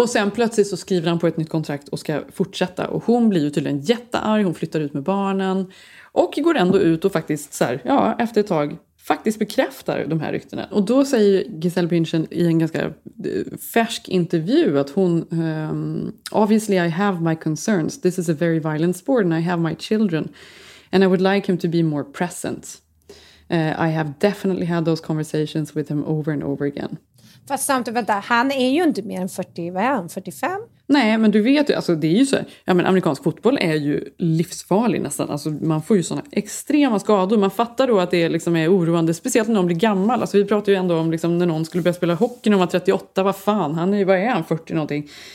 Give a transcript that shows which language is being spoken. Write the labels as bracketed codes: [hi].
[sv] Och sen plötsligt så skriver han på ett nytt kontrakt och ska fortsätta. Och hon blir ju tydligen jättearg, hon flyttar ut med barnen och går ändå ut och faktiskt så här, ja, efter ett tag faktiskt bekräftar de här ryktena. Och då säger Giselle Bündchen i en ganska färsk intervju att hon... [en] obviously I have my concerns, this is a very violent sport and I have my children... And I would like him to be more present. I have definitely had those conversations with him over and over again. [sv] Fast samtidigt, vänta, han är ju inte mer än 40, vad är han, 45? Nej, men du vet ju, alltså det är ju så här, ja men amerikansk fotboll är ju livsfarlig nästan, alltså man får ju såna extrema skador, man fattar då att det liksom är oroande, speciellt när någon blir gammal, alltså vi pratar ju ändå om liksom när någon skulle börja spela hockey när man var 38, vad fan, han är ju, vad är han, 40 någonting.